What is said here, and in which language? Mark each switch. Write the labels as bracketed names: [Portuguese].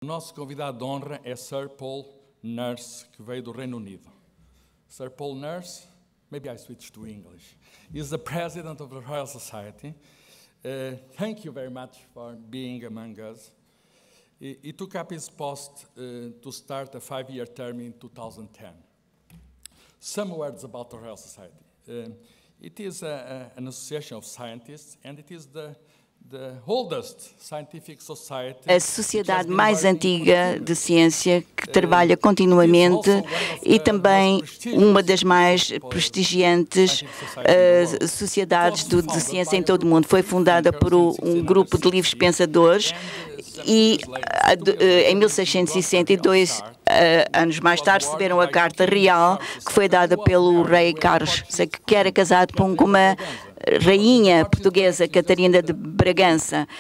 [Portuguese] Nosso convidado de honra é Sir Paul Nurse, que veio do Reino Unido. [English] Sir Paul Nurse, maybe I switch to English, is the president of the Royal Society. Thank you very much for being among us. He took up his post to start a five-year term in 2010. Some words about the Royal Society. It is an association of scientists, and it is the oldest scientific society, [Portuguese] a sociedade mais antiga de ciência que trabalha continuamente e também uma das mais prestigiantes sociedades de ciência em todo o mundo. Foi fundada por um grupo de livres pensadores e em 1662, anos mais tarde, receberam a carta real que foi dada pelo rei Carlos, que era casado com uma rainha portuguesa, Catarina de Bragança.